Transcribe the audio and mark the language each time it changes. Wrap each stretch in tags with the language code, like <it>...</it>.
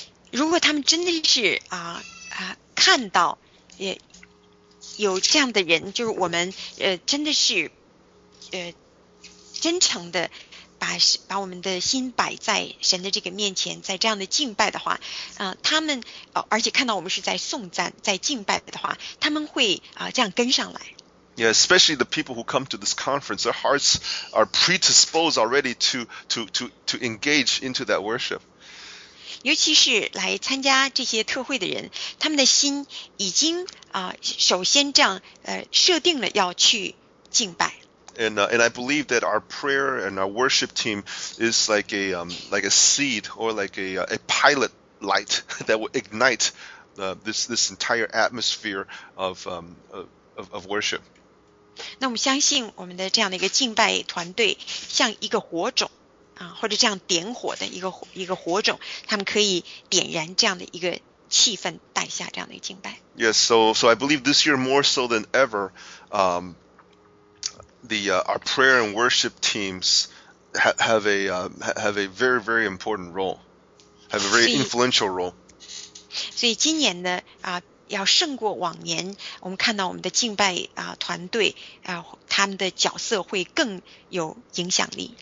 <zh>如果他们真的是看到有这样的人，就是我们真的是真诚的。把我们的心摆在神的这个面前，在这样的敬拜的话，他们而且看到我们是在颂赞，在敬拜的话，他们会这样跟上来。</zh> <en>Yeah, especially the people who come to this conference, their hearts are predisposed already to engage into that worship.</en> <zh>尤其是来参加这些特会的人，他们的心已经首先这样设定了要去敬拜。</zh> <en>And I believe that our prayer and our worship team is like a seed or like a pilot light that will ignite this entire atmosphere of worship.</en> <zh>那我们相信我们的这样的一个敬拜团队像一个火种或者这样点火的一个火种，他们可以点燃这样的一个气氛，带下这样的一个敬拜。</zh> <en>Yes, so I believe this year more so than ever. Our prayer and worship teams have a very, very important role, have a very influential role.</en> <zh>所以今年呢，要胜过往年，我们看到我们的敬拜团队他们的角色会更有影响力。</zh>